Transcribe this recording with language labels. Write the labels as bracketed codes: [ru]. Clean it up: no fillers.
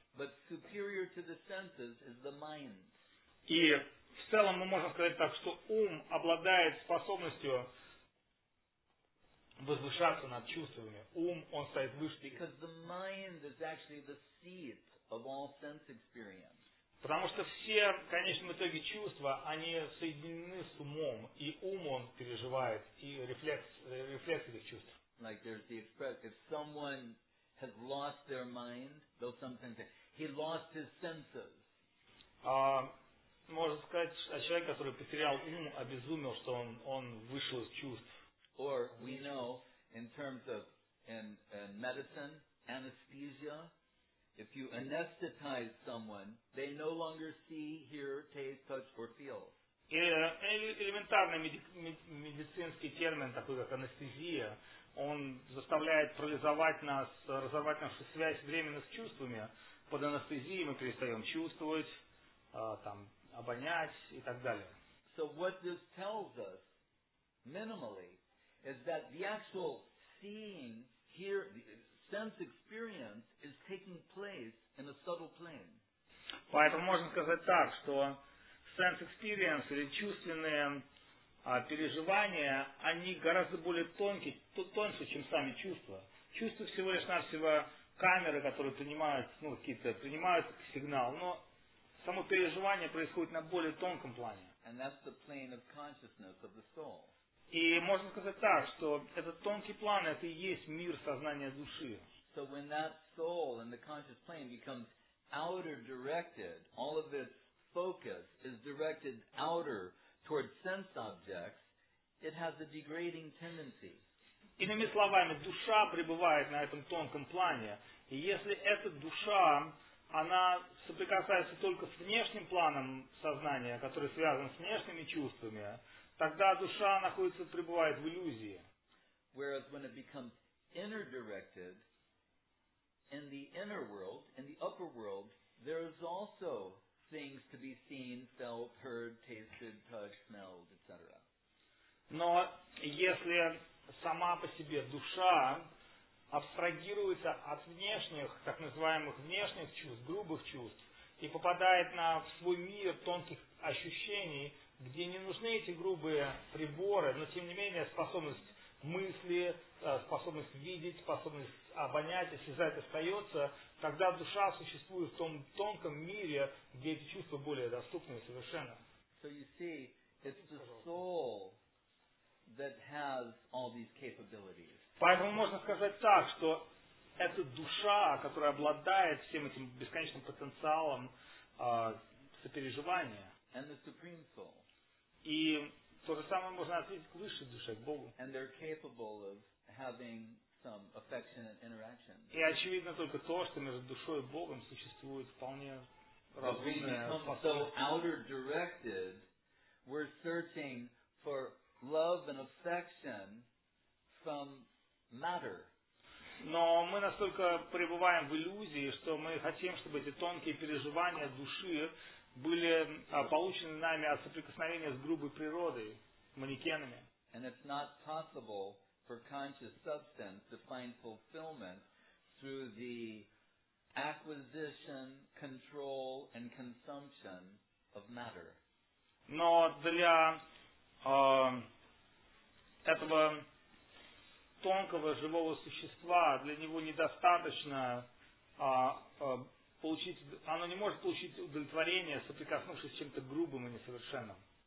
[en] But superior to the senses is the mind. [ru] И в целом мы можем сказать так, что ум обладает способностью возвышаться над чувствами. Ум, он стоит выше. [en] Because the mind is actually the seat of all sense experience. [ru] Потому что все, в конечном итоге, чувства, они соединены с умом, и ум он переживает, и рефлекс этих чувств. [en] Like there's the expression, if someone has lost their mind, though sometimes he lost his senses. [ru] Можно сказать, человек, который потерял ум, обезумел, что он вышел из чувств. [en] Or we know, in terms of in medicine, anesthesia. If you anesthetize someone, they no longer see, hear, taste, touch, or feel. [ru] Элементарный медицинский термин, такой как анестезия, он заставляет парализовать нас, разорвать нашу связь временно с чувствами. Под анестезией мы перестаем чувствовать, там, обонять и так далее. [en] So what this tells us, minimally, is that the actual seeing, hear, sense experience is taking place in a subtle plane. [ru] Поэтому можно сказать так, что [en] sense experience [ru] или чувственные переживания, они гораздо более тоньше, чем сами чувства. Чувства всего лишь навсего камеры, которые принимают, ну, какие-то принимают сигнал, но само переживание происходит на более тонком плане. [en] And that's the plane of consciousness of the soul. [ru] И можно сказать так, что этот тонкий план, это и есть мир сознания души. [en] So when that soul in the conscious plane becomes outer directed, all of its focus is directed outer toward sense objects, it has a degrading tendency. [ru] Иными словами, душа пребывает на этом тонком плане. И если эта душа, она соприкасается только с внешним планом сознания, который связан с внешними чувствами, тогда душа находится, пребывает в иллюзии. [en] Whereas when it becomes inner directed, in the inner world, in the upper world, there is also things to be seen, felt, heard, tasted, touched, smelled, etc. [ru] Но если сама по себе душа абстрагируется от внешних, так называемых внешних чувств, грубых чувств, и попадает на свой мир тонких ощущений, где не нужны эти грубые приборы, но тем не менее способность мысли, способность видеть, способность обонять, осязать остается, тогда душа существует в том тонком мире, где эти чувства более доступны и совершенны. [en] So you see, it's the soul that has all these capabilities. [ru] Поэтому можно сказать так, что это душа, которая обладает всем этим бесконечным потенциалом сопереживания. [en] And the supreme soul. [ru] И То же самое можно ответить к высшей душе, к Богу. [en] And they're capable of having some affectionate interaction. [ru] И очевидно только то, что между душой и Богом существует вполне разумная способность. [en] So outer directed, we're searching for love and affection from matter. [ru] Но мы настолько пребываем в иллюзии, что мы хотим, чтобы эти тонкие переживания души были получены нами от соприкосновения с грубой природой, манекенами. [en] And it's not possible for conscious substance to find fulfillment through the acquisition, control and consumption of matter. [ru] Но для этого тонкого живого существа, для него недостаточно получить, оно не может получить удовлетворение, соприкоснувшись с чем-то грубым и несовершенным.